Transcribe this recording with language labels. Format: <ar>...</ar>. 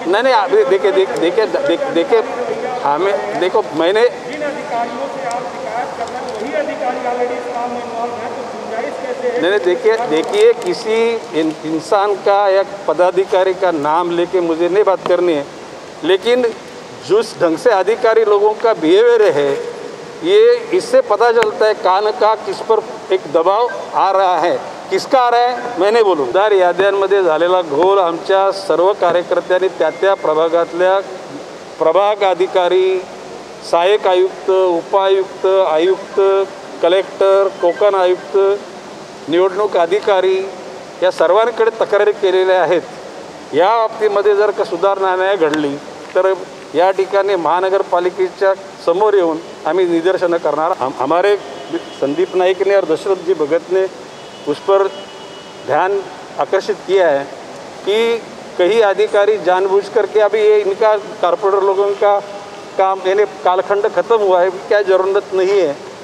<hi>नहीं नहीं, देखिए देखिए देखिए हमें देखो, मैंने नहीं देखिए किसी इंसान का या पदाधिकारी का नाम लेके मुझे नहीं बात करनी है, लेकिन जिस ढंग से अधिकारी लोगों का बिहेवियर है ये इससे पता चलता है कान का किस पर एक दबाव आ रहा है, किसका आ रहा है मैं नहीं बोलूँ।</hi> <mr>दर याद्यांमध्ये झालेला घोल आमच्या सर्व कार्यकर्त्यांनी त्या त्या प्रभागातल्या प्रभाग अधिकारी, सहायक आयुक्त, उपायुक्त, आयुक्त, कलेक्टर, कोकण आयुक्त, निवडणूक अधिकारी या सर्वांकडे तक्रारी केलेल्या आहेत। या बाबतीमध्ये जर का सुधारणा नाही घडली तर या ठिकाणी महानगरपालिकेच्या समोर येऊन आम्ही निदर्शनं करणार।</mr> <hi>हमारे संदीप नाईकने और दशरथजी भगतने उस पर ध्यान आकर्षित किया है कि कहीं अधिकारी जानबूझ करके अभी ये इनका कॉरपोरेटर लोगों का काम यानी कालखंड खत्म हुआ है क्या जरूरत नहीं है।</hi>